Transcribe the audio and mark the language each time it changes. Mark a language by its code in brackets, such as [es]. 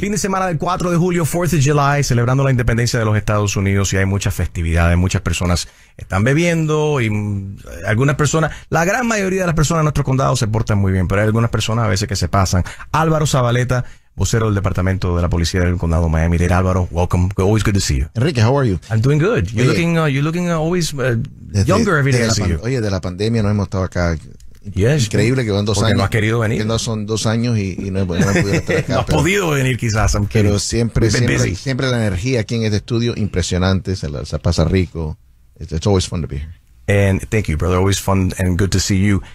[es] Fin de semana del 4 de julio, [en] 4th of July, [es] celebrando la independencia de los Estados Unidos, y hay muchas festividades, muchas personas están bebiendo y algunas personas, la gran mayoría de las personas en nuestro condado se portan muy bien, pero hay algunas personas a veces que se pasan. Álvaro Zabaleta, vocero del Departamento de la Policía del Condado de Miami. [en] Dale, Álvaro, welcome. Always good to see you. Enrique, how are you? I'm doing good. You're looking younger every day I see you. [es] Oye, de la pandemia no hemos estado acá. Yes, increíble que van dos años. No has querido venir. Que no son dos años y no he podido estar acá. No has podido venir quizás. Pero siempre la energía aquí en este estudio, impresionante. Se pasa rico. [en] It's always fun to be here. And thank you, brother. Always fun and good to see you.